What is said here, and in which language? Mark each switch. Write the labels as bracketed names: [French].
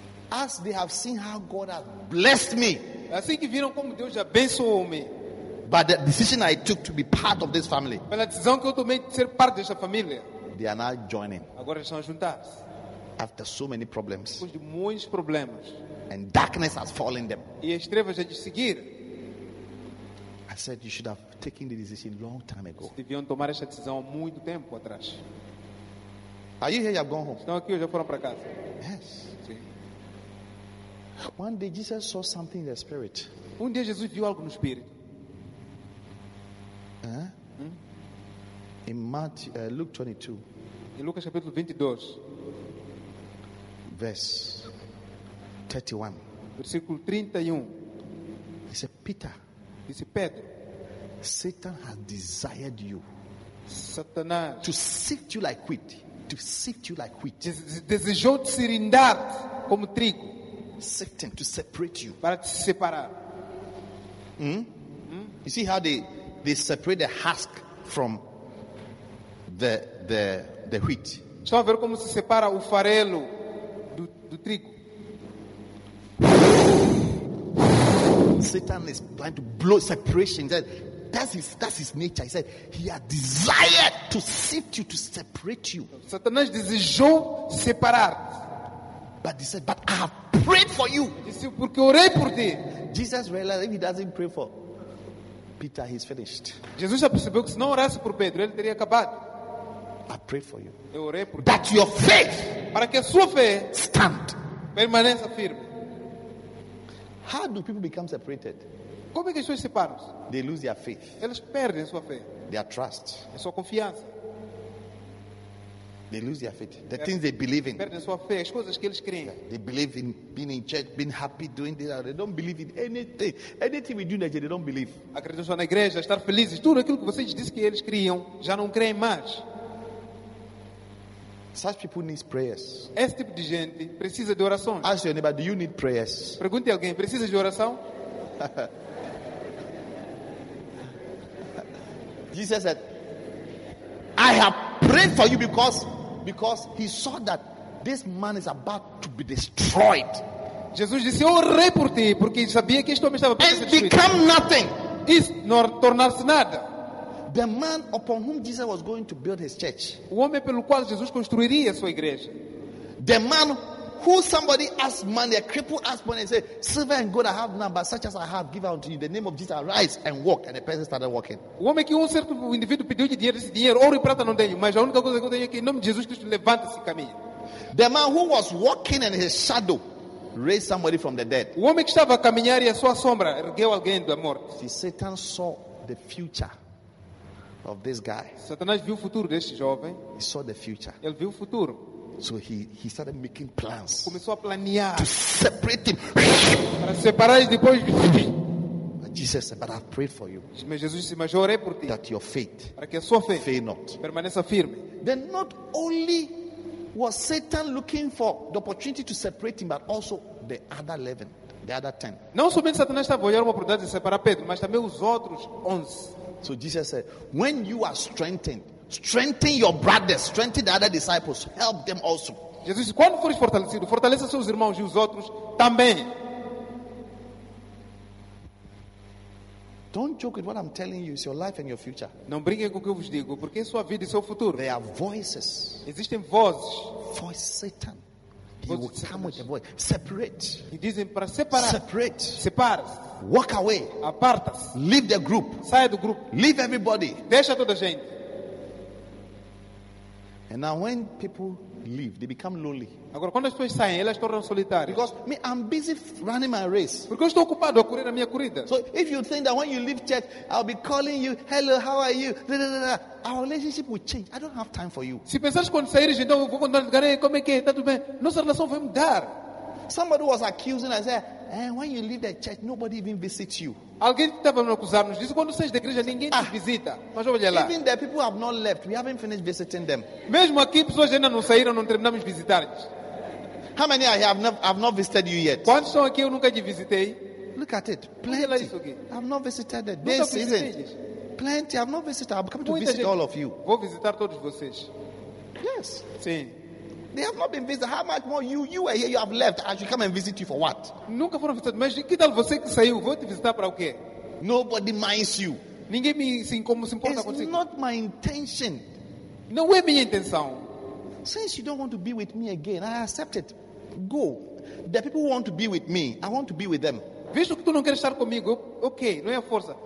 [English] As they have seen how God has blessed me. [Portuguese] Assim que viram como Deus abençoou-me. [English] By the decision I took to be part of this family. [Portuguese] Pela decisão que eu tomei de ser parte dessa família. [English] They are now joining. [Portuguese] Agora estão a juntar. [English] After so many problems. [Portuguese] Depois de muitos problemas. [English] And darkness has fallen them. [Portuguese] E as trevas já de seguir. [English] I said you should have taken the decision long time ago. [Portuguese] Deviam tomar essa decisão há muito tempo atrás. [English] Are you here? You have gone home. [Portuguese] Estão aqui ou já foram para casa? [English] Yes. [Portuguese] Sim. [English] One day Jesus saw something in the spirit. [Portuguese] Um dia Jesus viu algo no espírito. [English] In Matthew, Luke 22. [Portuguese] Em Lucas capítulo 22. [English] Verse 31. [Portuguese] Versículo 31. [English] He said, Peter. [Portuguese] Disse Pedro. [English] Satan has desired you. [Portuguese] Satanás. [English] To sift you like wheat. To sift you like wheat. [Portuguese] Desejou te cirindar como trigo. [English] Satan, to separate you. [Portuguese] Para te separar. [English] You see how they separate the husk from the wheat. [Portuguese] Estão a ver como se separa o farelo do trigo. [English] Satan is trying to blow separation. That's his nature. He said he has desired to sift you, to separate you. [Portuguese] Satanás desejou separar. [English] But he said, but I have prayed for you. [Portuguese] Disse, porque orei por ti. [English] Jesus realized if he doesn't pray for Peter, he's finished. [Portuguese] Jesus já percebeu que se não orasse por Pedro, ele teria acabado. [English] I pray for you. [Portuguese] Eu orei por [English] that your faith, [Portuguese] para que a sua fé [English] stand, [Portuguese] permaneça firme. [English] How do people become separated? [Portuguese] Como é que as pessoas separam-se? [English] They lose their faith. [Portuguese] Eles perdem a sua fé. [English] Their trust. [Portuguese] A sua confiança. [English] They lose their faith. The things they believe in. [Portuguese] Perdem sua fé, as coisas que eles creem. [English] They believe in being in church, being happy doing this. They don't believe in anything. Anything we do in the church, they don't believe. [Portuguese] Acreditam só na igreja, estar felizes, tudo aquilo que vocês dizem que eles criam, já não creem mais. [English] Such people need prayers. [Portuguese] Esse tipo de gente precisa de oração. [English] Ask your neighbor, do you need prayers? [Portuguese] Pergunte a alguém, precisa de oração? [English] Jesus said, I have prayed for you because he saw that this man is about to be destroyed. [Portuguese] Jesus disse, eu orei por ti porque sabia que este homem estava para ser destruído. [English] And become nothing. [Portuguese] Isso não tornar-se nada. [English] The man upon whom Jesus was going to build his church. [Portuguese] O homem pelo qual Jesus construiria a sua igreja. [English] The man who somebody asked money, a cripple asked money, and said, silver and gold I have none, but such as I have, give unto you. The name of Jesus, arise and walk. And the person started walking. [Portuguese] O homem que certo indivíduo pediu de dinheiro, esse dinheiro, ouro e prata não tenho, mas a única coisa que eu tenho é que em nome de Jesus Cristo, levanta-se e caminha. [English] The man who was walking in his shadow, raised somebody from the dead. [Portuguese] O homem que estava a caminhar e a sua sombra, ergueu alguém da morte. [English] See, Satan saw the future of this guy. [Portuguese] Satanás viu o futuro deste jovem. [English] He saw the future. [Portuguese] Ele viu o futuro. [English] So he started making plans. [Portuguese] Começou a planear. [English] To separate him. [Portuguese] Para separar e depois. [English] Jesus said, "But I've prayed for you." [Portuguese] Mas Jesus disse, mas eu orei por ti. [English] That your faith. [Portuguese] Para que a sua fé. [English] Fail not. [Portuguese] Permaneça firme. [English] Then not only was Satan looking for the opportunity to separate him, but also the other 11, the other 10. [Portuguese] Não somente Satanás estava a olhar uma oportunidade de separar Pedro, mas também os outros 11. [English] So Jesus said, when you are strengthened, strengthen your brothers, strengthen the other disciples, help them also. [Portuguese] Jesus disse, quando fores fortalecido, fortaleça seus irmãos e os outros também. [English] Don't joke with what I'm telling you, it's your life and your future. [Portuguese] Não brinquem com o que eu vos digo, porque é sua vida e seu futuro. [English] There are voices. [Portuguese] Existem vozes. [English] For Satan. He will come with a voice. Separate. [Portuguese] E dizem para separar. [English] Separate. [Portuguese] Separa-se. [English] Walk away. [Portuguese] Apartas. [English] Leave the group. [Portuguese] Sai do grupo. [English] Leave everybody. [Portuguese] Deixa toda a gente. [English] And now when people leave, they become lonely. [Portuguese] Agora quando as pessoas saem, elas tornam solitárias. [English] Because me, I'm busy running my race. [Portuguese] Porque eu estou ocupado a correr a minha corrida. [English] So if you think that when you leave church, I'll be calling you, hello, how are you? Da, da, da, da. Our relationship will change. I don't have time for you. [Portuguese] Se pensares quando saíres, então eu vou contar, como é que está tudo bem? Nossa relação vai mudar. [English] Somebody was accusing us. And when you leave the church, nobody even visits you. [Portuguese] Alguém estava a acusar-nos disso. Quando saís da igreja, ninguém te visita. Mas olha lá. [English] Even the people have not left. We haven't finished visiting them. [Portuguese] Mesmo aqui, pessoas ainda não saíram, não terminamos de visitar. [English] How many are here? I've not visited you yet. [Portuguese] Quantos são aqui? Eu nunca te visitei. [English] Look at it. Plenty. [Portuguese] Olha isso aqui. [English] I've not visited them. This season. Plenty. I've not visited. I'm coming to visit [Portuguese] gente. [English] All of you. [Portuguese] Vou visitar todos vocês. [English] Yes. [Portuguese] Sim. [English] They have not been visited. How much more you were here, you have left. I should come and visit you for what? [Portuguese] Nunca foram visitados. Mas que tal você que saiu? Vou te visitar para o quê? [English] Nobody minds you. [Portuguese] Ninguém me se importa com você. [English] It's not my intention. [Portuguese] Não é minha intenção. [English] Since you don't want to be with me again, I accept it. Go. The people who want to be with me, I want to be with them. [Portuguese] Visto que tu não queres estar comigo, ok, não é a força.